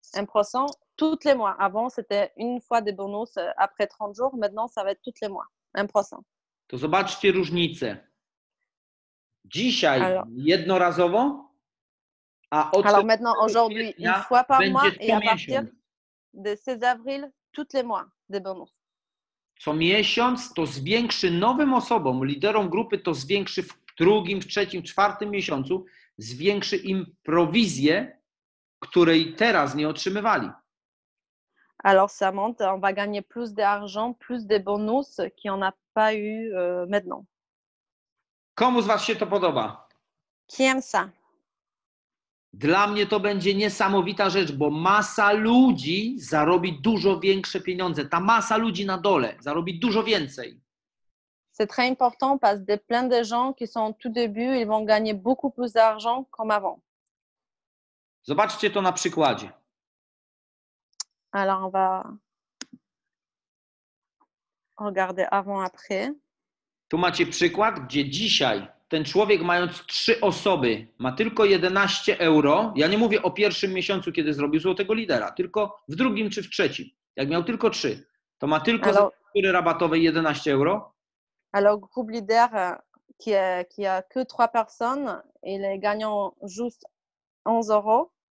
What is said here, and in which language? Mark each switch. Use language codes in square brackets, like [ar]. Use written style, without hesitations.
[fr] 1% tous les mois. Avant c'était une fois de bonus après 30 jours, maintenant ça va être tous les mois 1%. [pl] To zobaczcie różnicę. Dzisiaj jednorazowo, a od 16 kwietnia [fr] une fois par mois et à partir de 16 avril tous les mois de bonus. [pl] Co miesiąc to zwiększy nowym osobom, liderom grupy to zwiększy w drugim, w trzecim, czwartym miesiącu, zwiększy im prowizję, której teraz nie otrzymywali. [fr] Alors ça monte, on va gagner plus d'argent, plus de bonus qui on n'a pas eu maintenant. [pl] Komu z was się to podoba? [fr] Kiem ça. [pl] Dla mnie to będzie niesamowita rzecz, bo masa ludzi zarobi dużo większe pieniądze. Ta masa ludzi na dole zarobi dużo więcej. [fr] C'est très important parce que plein de gens qui sont au tout début, ils vont gagner beaucoup plus d'argent comme avant. [pl] Zobaczcie to na przykładzie. [fr] Alors on va regarder avant après. [pl] Tu macie przykład, gdzie dzisiaj ten człowiek mając 3 osoby ma tylko 11 euro. Ja nie mówię o pierwszym miesiącu, kiedy zrobił złotego lidera, tylko w drugim czy w trzecim. Jak miał tylko 3, to ma tylko za struktury rabatowej 11 euro. Ale grup lider, [fr] qui a que 3 personnes, il gagne juste 11 euro.